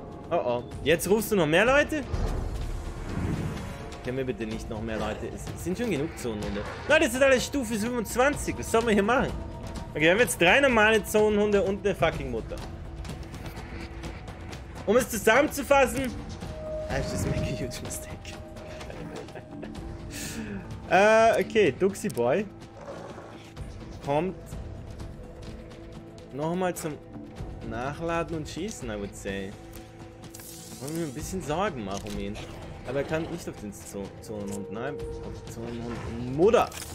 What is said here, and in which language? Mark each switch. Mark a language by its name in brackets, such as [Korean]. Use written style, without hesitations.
[German] Oh oh. Jetzt rufst du noch mehr Leute? Können wir bitte nicht noch mehr Leute? Es sind schon genug Zonenhunde. Nein, das ist alles Stufe 25. Was sollen wir hier machen? Okay, wir haben jetzt 3 normale Zonenhunde und eine fucking Mutter. Um es zusammenzufassen, [English] I just make a huge mistake. [German] okay, Duxi Boy kommt nochmal zum Nachladen und Schießen, [English] I would say. [German] Wollen wir ein bisschen Sorgen machen um ihn. Aber er kann nicht auf den Zonenhund, nein, auf den Zonenhund Mutter.